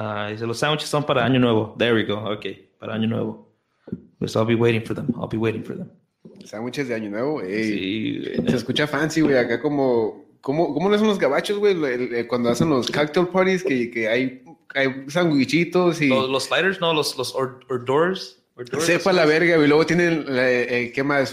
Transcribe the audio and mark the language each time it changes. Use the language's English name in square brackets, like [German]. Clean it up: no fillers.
[Spanish] Dice, los sándwiches son para año nuevo. [English] There we go, ok, [Spanish] para año nuevo. [English] Pues I'll be waiting for them. [Spanish] Sándwiches de año nuevo, güey. Sí, se escucha fancy, güey. Acá ¿cómo no son los gabachos, güey? Cuando hacen los [English] cocktail parties, [Spanish] que hay sandwichitos y... Los sliders, ¿no? Los hors d'oeuvres. Sepa la verga, güey. Luego tienen, ¿qué más?